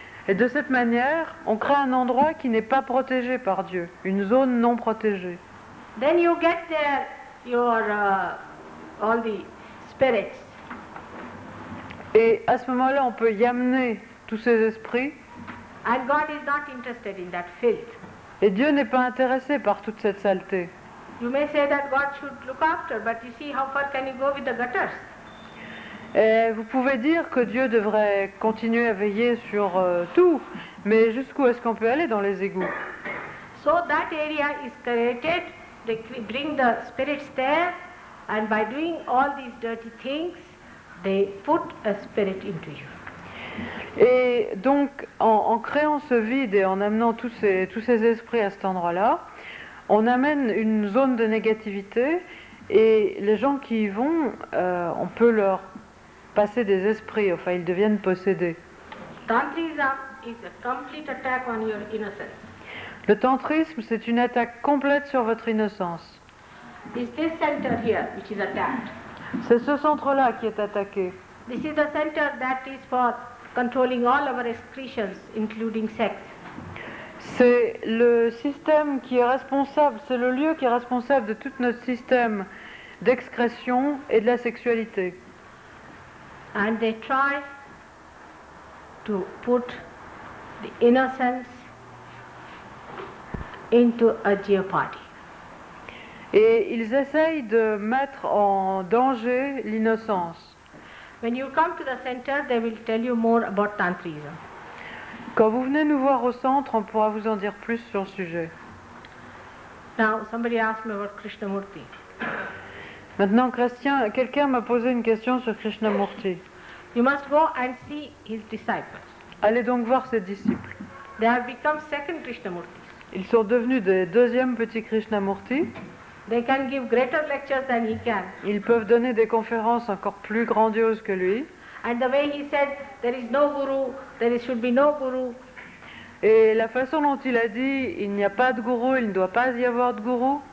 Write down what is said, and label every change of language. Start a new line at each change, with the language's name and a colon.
French: Et de cette manière, on crée un endroit qui n'est pas protégé par Dieu, une zone non protégée.
English: Then you get there your all the spirits.
French: Et à ce moment-là, on peut y amener tous ces esprits.
English: And God is not interested in that filth.
French: Et Dieu n'est pas intéressé par toute cette saleté.
English: You may say that God should look after, but you see how far can you go with the gutters?
French: Et vous pouvez dire que Dieu devrait continuer à veiller sur tout, mais jusqu'où est-ce qu'on peut aller dans les égouts?
English: So that area is created, they bring the spirits there, and by doing all these dirty things, they put a spirit into you.
French: Et donc, en créant ce vide et en amenant tous ces esprits à cet endroit-là, on amène une zone de négativité, et les gens qui y vont, on peut leur passer des esprits, enfin ils deviennent possédés.
English: Tantrism is a complete attack on your innocence.
French: Le tantrisme, c'est une attaque complète sur votre innocence.
English: It's this center here which is attacked.
French: C'est ce centre-là qui est attaqué.
English: This is the center that is for controlling all our excretions, including sex.
French: C'est le système qui est responsable, c'est le lieu qui est responsable de tout notre système d'excrétion et de la sexualité.
English: And they try to put the innocence into a jeopardy.
French: Et ils essayent de mettre en danger l'innocence.
English: When you come to the center, they will tell you more about tantrism.
French: Quand vous venez nous voir au centre, on pourra vous en dire plus sur le sujet.
English: Now, somebody asked me about Krishnamurti.
French: Maintenant, quelqu'un m'a posé une question sur Krishnamurti.
English: You must go and see his disciples.
French: Allez donc voir ses disciples.
English: They have become second Krishnamurtis.
French: Ils sont devenus des deuxièmes petits Krishnamurtis.
English: They can give greater lectures than he can.
French: Ils peuvent donner des conférences encore plus grandioses que lui.
English: And the way he said, there is no guru, there should be no guru.
French: Et la façon dont il a dit, il n'y a pas de gourou, il ne doit pas y avoir de gourou.